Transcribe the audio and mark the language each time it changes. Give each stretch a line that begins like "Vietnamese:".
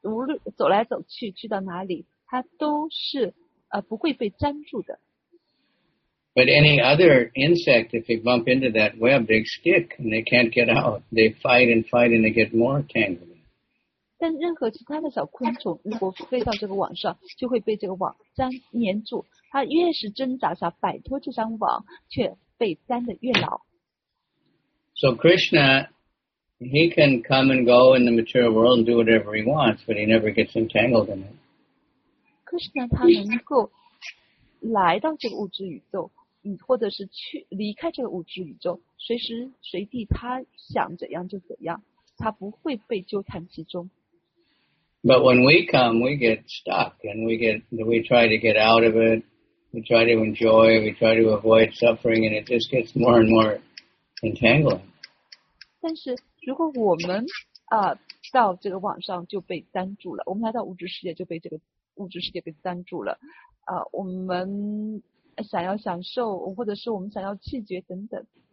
Chinese: 蜘蛛的话，它在这个自己吐的网上，无论走来走去，去到哪里，它都是。
English: But any other insect, if they bump into that web, they stick and they can't get out. They fight and fight and they get more tangled.
Chinese: 但任何其他的小昆虫，如果飞到这个网上，就会被这个网粘粘住。它越是挣扎想摆脱这张网，却被粘得越牢。So
English: Krishna, he can come and go in the material world and do whatever he wants, but he never gets entangled in it.
Chinese: Krishna 他能够来到这个物质宇宙，你或者是去离开这个物质宇宙，随时随地他想怎样就怎样，他不会被纠缠其中。
English: But when we come, we get stuck, and we try to get out of it. We try to enjoy. We try to avoid suffering, and it just gets more and more entangling.
Chinese: 但是如果我们啊、到这个网上就被粘住了，我们来到物质世界就被这个物质世界给粘住了，啊、我们想要享受，或者是我们想要拒绝等等。